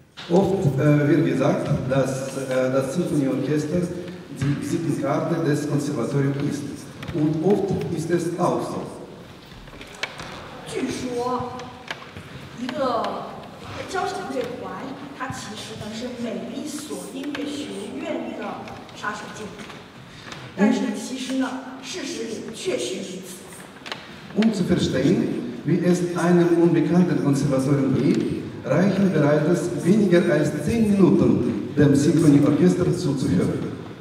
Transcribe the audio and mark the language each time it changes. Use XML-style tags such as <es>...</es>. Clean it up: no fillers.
<de>Oft wird gesagt, dass das Sinfonieorchester die Visitenkarte des Konservatoriums ist. Und oft ist es auch so.</de> <zh>据说，一个交响乐团，它其实呢是每一所音乐学院的杀手锏。</zh> <de>Um zu verstehen, wie es einem unbekannten Konservatorium geht, reichen bereits weniger als 10 Minuten, dem Sinfonieorchester zuzuhören.</de>